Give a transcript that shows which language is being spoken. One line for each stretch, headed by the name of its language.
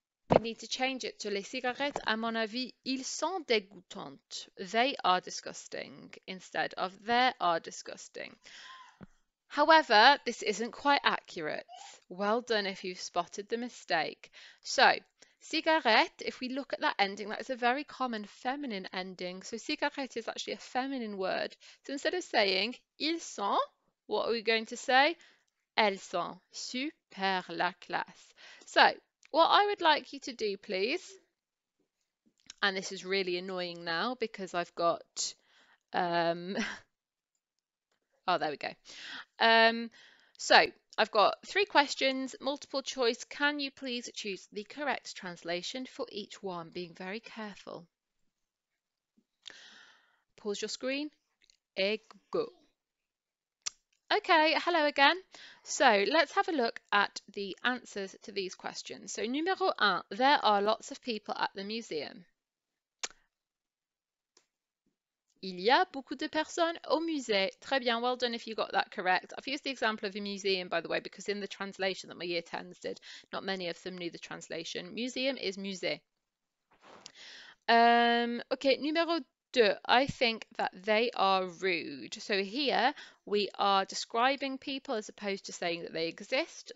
English: We need to change it to
French: les cigarettes, à mon avis, ils sont dégoûtantes.
English: They are disgusting instead of they are disgusting. However, this isn't quite accurate. Well done if you've spotted the mistake. So, cigarette, if we look at that ending, that is a very common feminine ending. So, cigarette is actually a feminine word. So, instead of saying
French: ils sont,
English: what are we going to say?
French: Elles sont. Super la classe.
English: So, what I would like you to do, please, and this is really annoying now because I've got, oh, there we go. So I've got three questions, multiple choice. Can you please choose the correct translation for each one, being very careful? Pause your screen. Go. Okay, hello again. So let's have a look at the answers to these questions. So
French: numero un,
English: there are lots of people at the museum.
French: Il y a beaucoup de personnes au musée. Très bien,
English: well done if you got that correct. I've used the example of a museum, by the way, because in the translation that my year 10s did, not many of them knew the translation. Museum is musée. Okay,
French: numero deux,
English: I think that they are rude. So here we are describing people as opposed to saying that they exist.